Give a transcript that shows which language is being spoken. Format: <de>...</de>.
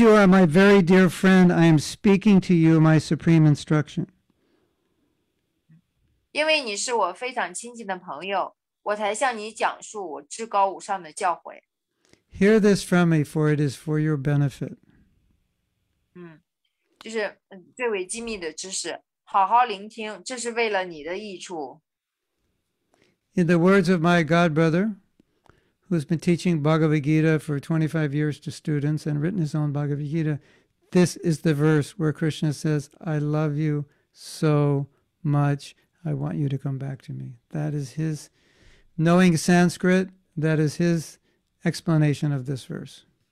<en>you are my very dear friend, I am speaking to you my supreme instruction.</en> <zh>因为你是我非常亲近的朋友，我才向你讲述我至高无上的教诲。</zh> <en>Hear this from me, for it is for your benefit.</en> <zh>就是最为机密的知识，好好聆听，这是为了你的益处。</zh> <en>In the words of my god brother, who has been teaching Bhagavad Gita for 25 years to students and written his own Bhagavad Gita, this is the verse where Krishna says, I love you so much, I want you to come back to me. That is his, knowing Sanskrit, that is his explanation of this verse.</en>